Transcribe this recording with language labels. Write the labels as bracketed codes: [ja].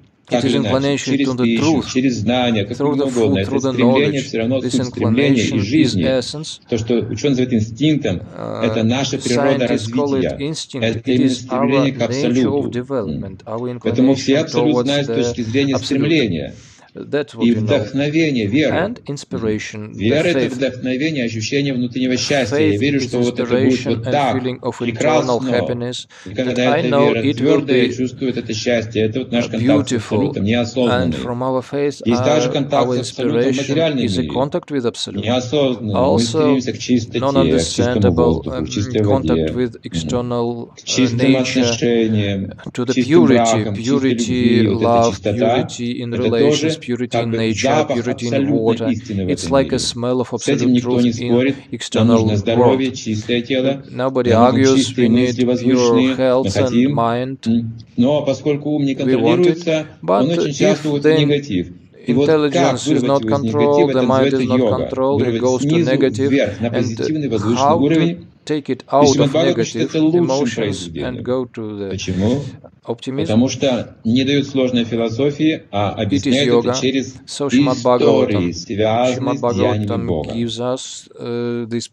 [en] It is inclination to the truth, through the food, through the knowledge. This inclination is essence. [ru] То, что ученые называют инстинктом, это наша природа развития. Это стремление к абсолюту. Поэтому все абсолют знают с точки зрения стремления. [en] That [ru] и вдохновение, вера. [en] And inspiration, [ru] вера – это вдохновение, ощущение внутреннего счастья. Я верю, что вот это будет вот так, прекрасно. И когда эта вера твердая, я чувствую это счастье. Это вот наш контакт с абсолютом, неосознанный. Есть даже контакт с абсолютом в материальном мире. Неосознанный. Мы стремимся к чистоте, к чистому воздуху, к чистой воде, к чистым отношениям, к чистым бракам, к чистой любви. Вот эта чистота. [en] Purity in nature, purity in water. It's like a smell of absolute truth in external world. Nobody argues, we need pure health and mind. We want it. But if then intelligence is not controlled, the mind is not controlled, it goes to negative. And how to take it out of negative emotions and go to the optimism? [ru] Потому что не дают сложной философии, а объясняют это через истории, связанные с